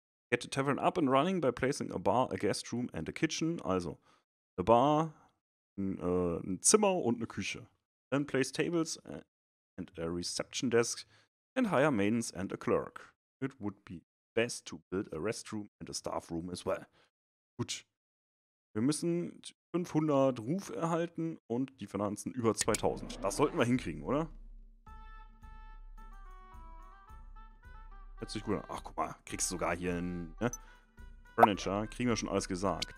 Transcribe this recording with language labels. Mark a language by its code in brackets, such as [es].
[en] Get the tavern up and running by placing a bar, a guest room and a kitchen. [de] Also, a bar, ein Zimmer und eine Küche. [en] Then place tables and a reception desk and hire maidens and a clerk. It would be best to build a restroom and a staff room as well. [de] Gut. Wir müssen 500 Ruf erhalten und die Finanzen über 2000. Das sollten wir hinkriegen, oder? Hört sich gut an. Ach, guck mal, kriegst du sogar hier ein, ne? Furniture, kriegen wir schon alles gesagt.